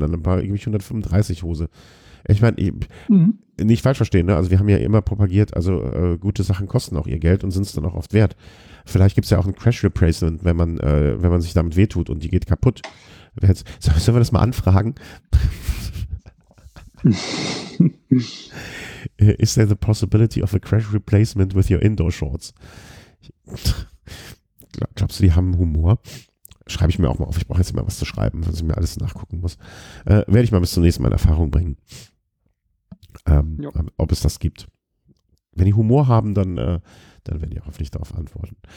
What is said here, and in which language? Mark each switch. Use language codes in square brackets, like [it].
[de] Dann habe ich 135 Hose. Ich meine, nicht falsch verstehen, ne? Also wir haben ja immer propagiert, also gute Sachen kosten auch ihr Geld und sind es dann auch oft wert. Vielleicht gibt es ja auch ein Crash Replacement, wenn man sich damit wehtut und die geht kaputt. Sollen wir das mal anfragen? [en] Is there the possibility of a crash replacement with your indoor shorts? [de] Glaubst du, die haben Humor? Schreibe ich mir auch mal auf. Ich brauche jetzt mal was zu schreiben, was ich mir alles nachgucken muss. Werde ich mal bis zum nächsten Mal in Erfahrung bringen. Ob es das gibt. Wenn die Humor haben, dann werden die hoffentlich darauf antworten.